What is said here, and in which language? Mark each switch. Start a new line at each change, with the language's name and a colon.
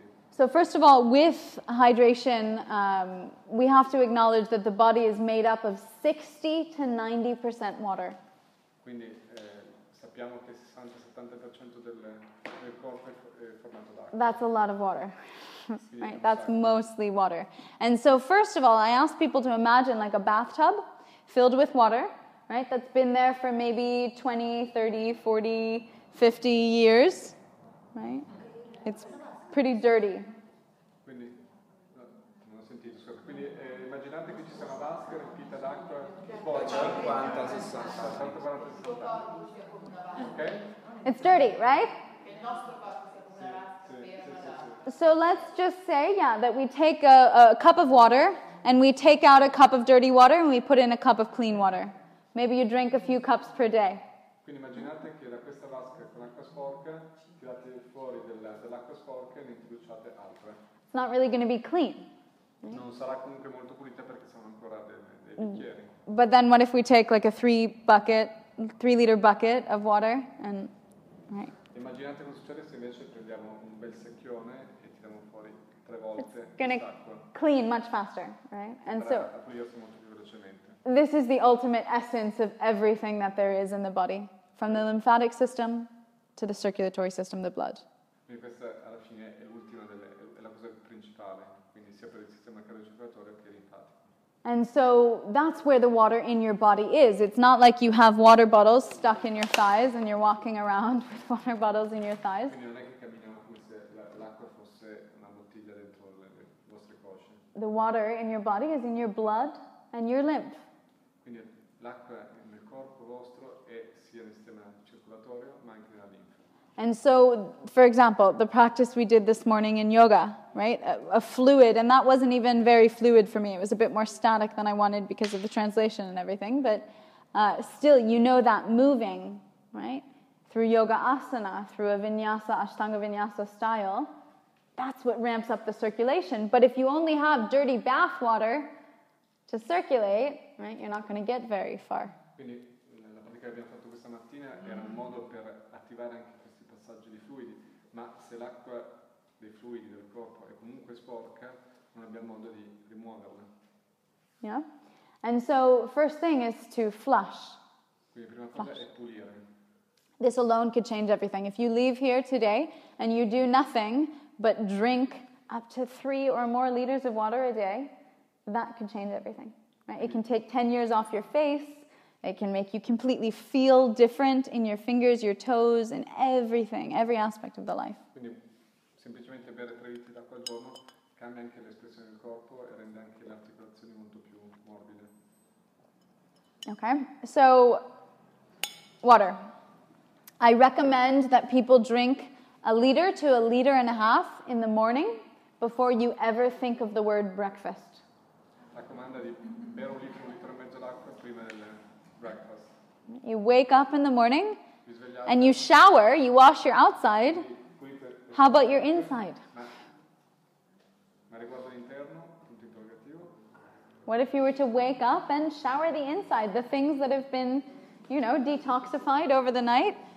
English: So first of all, with hydration, we have to acknowledge that the body is made up of 60 to 90% water.
Italian: Quindi sappiamo che 60-70% del corpo è formato d'acqua.
English: That's a lot of water, right? That's mostly water. And so first of all, I ask people to imagine like a bathtub filled with water, right? That's been there for maybe 20, 30, 40, 50 years, right? It's pretty dirty.
Italian: Quindi non ho sentito, scusa. Quindi immaginate che ci sia una vasca riempita d'acqua sporca. 50-60.
English: It's dirty, right?
Italian: Sì.
English: So let's just say, yeah, that we take a cup of water and we take out a cup of dirty water and we put in a cup of clean water. Maybe you drink a few cups per day.
Italian: Quindi immaginate che da questa vasca con acqua sporca tirate fuori dell'acqua sporca e ne introduciate altre.
English: It's not really going to be clean. Right?
Italian: Non sarà comunque molto pulita perché sono ancora dei bicchieri.
English: But then what if we take like a 3-liter bucket of water and right.
Italian: Immaginate cosa succede se invece prendiamo un bel secchione e tiriamo fuori 3 volte l'acqua.
English: It's going to clean much faster, right? And so
Italian: molto più velocemente.
English: This is the ultimate essence of everything that there is in the body, from the lymphatic system to the circulatory system, the blood.
Italian: Quindi questa alla fine è l'ultima è la cosa principale, quindi sia per il sistema cardiocircolatorio che linfatico.
English: And so that's where the water in your body is. It's not like you have water bottles stuck in your thighs and you're walking around with water bottles in your thighs.
Italian: Quindi non è che camminiamo come se l'acqua fosse una bottiglia dentro le vostre cosce.
English: The water in your body is in your blood and your lymph.
Italian: Quindi l'acqua nel corpo vostro circolatorio, ma anche nella linfa.
English: And so, for example, the practice we did this morning in yoga, right? A fluid, and that wasn't even very fluid for me. It was a bit more static than I wanted because of the translation and everything. But still, you know that moving, right? Through yoga asana, through a vinyasa, ashtanga vinyasa style, that's what ramps up the circulation. But if you only have dirty bath water to circulate, right, you're not going to get very far.
Italian: Quindi la pratica che abbiamo fatto questa mattina era un modo per attivare anche questi passaggi di fluidi, ma se l'acqua dei fluidi del corpo è comunque sporca, non abbiamo modo di rimuoverla.
English: Yeah. And so first thing is to flush.
Italian: Quindi prima cosa flush. È pulire.
English: This alone could change everything. If you leave here today and you do nothing but drink up to 3 or more liters of water a day, that could change everything. Right? It can take 10 years off your face. It can make you completely feel different in your fingers, your toes, and everything, every aspect of the life.
Italian: Quindi, semplicemente bere 3 litri d'acqua al giorno cambia anche l'espressione del corpo e rende anche le articolazioni molto più morbide.
English: Okay, so water. I recommend that people drink 1 liter to 1.5 liters in the morning before you ever think of the word breakfast.
Italian: Raccomanda di bere 1 litro, 1.5 liters d'acqua prima del breakfast.
English: You wake up in the morning and you shower, you wash your outside. How about your inside?
Italian: Ma riguardo l'interno, punto interrogativo.
English: What if you were to wake up and shower the inside, the things that have been, you know, detoxified over the night?